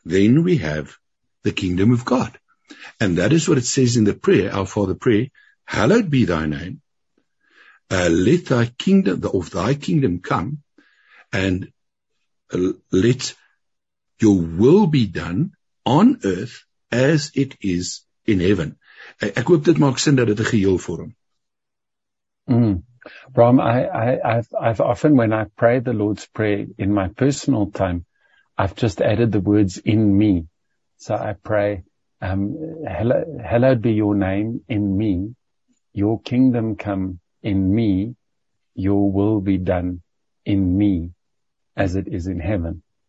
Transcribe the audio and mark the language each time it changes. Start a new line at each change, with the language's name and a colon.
English: Then we have the kingdom of God. And that is what it says in the prayer, our Father prayer, hallowed be thy name, let thy kingdom, of thy kingdom come and let your will be done on earth as it is in heaven.
Afrikaans: Ek hoop dit maak sin dat dit 'n geheel vorm.
English: Bram, I've often when I pray the Lord's Prayer in my personal time, I've just added the words in me. So I pray, hallowed be your name in me, your kingdom come in me, your will be done in me as it is in heaven.